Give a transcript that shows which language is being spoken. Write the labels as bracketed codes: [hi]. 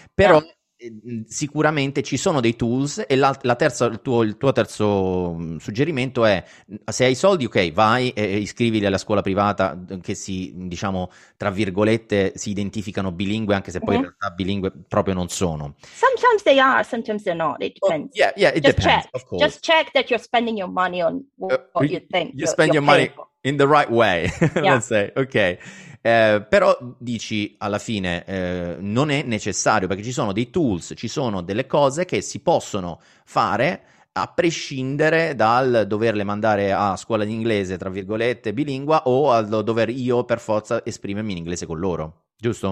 [it] Però sicuramente ci sono dei tools, e il tuo terzo suggerimento è, se hai soldi, ok, vai e iscriviti alla scuola privata che si, diciamo, tra virgolette, si identificano bilingue, anche se poi in realtà bilingue proprio non sono. [en] Sometimes they are, sometimes they're not, it depends. Just check that you're spending your money on what you think. You spend your money for. In the right way, let's say, okay. [it] Però dici alla fine non è necessario, perché ci sono dei tools, ci sono delle cose che si possono fare a prescindere dal doverle mandare a scuola di inglese tra virgolette bilingua, o al dover io per forza esprimermi in inglese con loro, giusto?